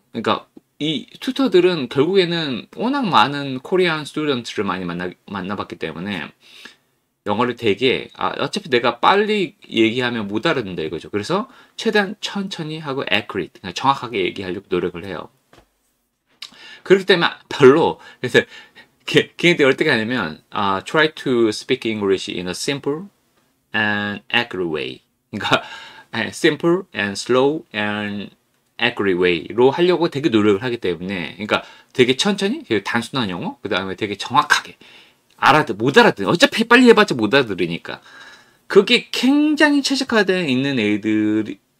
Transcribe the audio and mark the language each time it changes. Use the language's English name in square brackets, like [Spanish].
[Korean] 그러니까 이 튜터들은 결국에는 워낙 많은 코리안 스튜던트를 많이 만나봤기 때문에 영어를 되게 아, 어차피 내가 빨리 얘기하면 못 알아듣는다 이거죠. 그래서 최대한 천천히 하고 accurate, 그냥 정확하게 얘기하려고 노력을 해요. 그렇기 때문에 별로 그래서 걔네들이 어떻게 하냐면 [English] try to speak English in a simple and accurate way. [Korean] 그러니까 [English] simple and slow and accurate way [Korean] 로 하려고 되게 노력을 하기 때문에 그러니까 되게 천천히 되게 단순한 영어 그 다음에 되게 정확하게 못 알아들어 어차피 빨리 해봤자 못 알아들으니까 그게 굉장히 최적화되어 있는 애들이에요.